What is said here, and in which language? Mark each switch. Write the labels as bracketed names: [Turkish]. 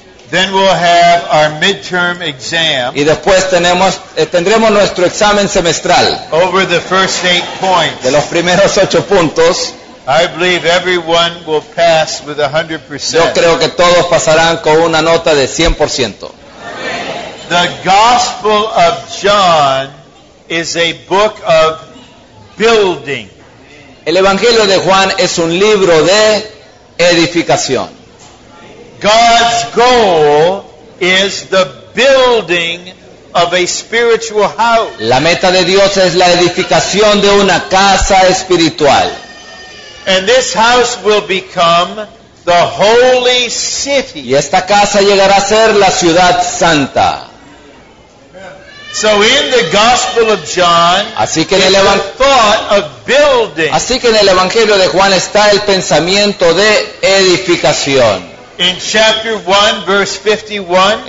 [English] Then we'll have our midterm exam. [Spanish] Y después tendremos nuestro examen semestral. [English] Over the first 8 points. [Spanish] De los primeros 8 puntos. [English] I believe everyone will pass with 100%. [Spanish] Yo creo que todos pasarán con una nota de 100%. [English] The Gospel of John is a book of building. [Spanish] El Evangelio de Juan es un libro de edificación. [English] God's goal is the building of a spiritual house. [Spanish] La meta de Dios es la edificación de una casa espiritual. [English] And this house will become the holy city. [Spanish] Y esta casa llegará a ser la ciudad santa. [English] So in the Gospel of John, [Spanish] así que en el [English] thought of building. [Spanish] Así que en el Evangelio de Juan está el pensamiento de edificación. [English] In chapter 1, verse 51.